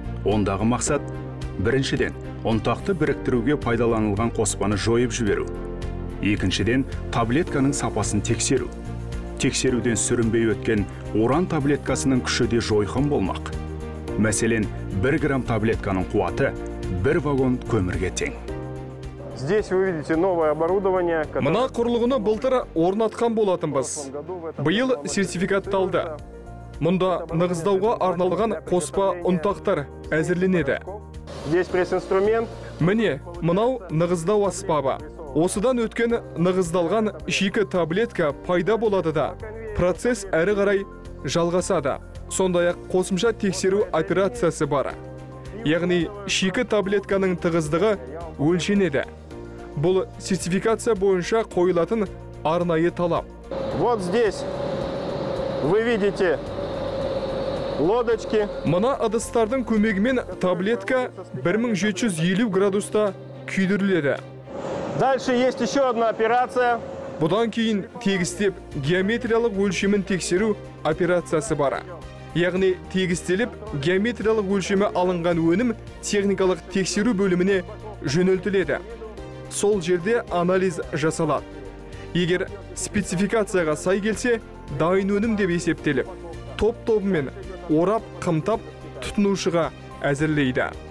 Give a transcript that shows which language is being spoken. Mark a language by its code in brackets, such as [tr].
[kk] Ондағы мақсат біріншіден ұнтақты біріктіруге пайдаланылған қоспаны жойып жіберу. Екіншіден таблетканың сапасын тексеру. Тексеруден сүрінбей өткен уран таблеткасының күші де жойқын болмақ. Мәселен, 1 грамм таблетканың қуаты 1 вагон көмірге тең. [ru] Здесь вы видите новое оборудование. [kk] Мына құрылғыны былтыр орнатқан болатынбыз. Биыл сертификатталды. Мұнда нығыздауға арналған қоспа ұнтақтар әзірленеді. [ru] Здесь пресс-инструмент. [kk] Міне, мынау нығыздау аспабы. Осыдан өткен нығыздалған шикі таблетка пайда болады да, процесс әрі қарай жалғасады. Сондай-ақ қосымша тексеру операциясы бар. Яғни, шикі таблетканың тығыздығы өлшенеді. Бұл сертификация бойынша қойылатын арнайы талап. [ru] Вот здесь вы видите лодочки. [kk] Мына ыдыстардың көмегімен таблетка 1750 градуста күйдіріледі. [ru] Дальше есть еще одна операция. [kk] Бұдан кейін тегістеп геометриялық өлшемін тексеру операциясы бар. Яғни тегістеліп геометриялық өлшемі алынған өнім техникалық тексеру бөліміне жөнелтіледі. Сол жерде анализ жасалады. Егер спецификацияға сай келсе, дайын өнім деп есептеліп, топ-тобымен орап, қымтап тұтынушыға әзірлейді.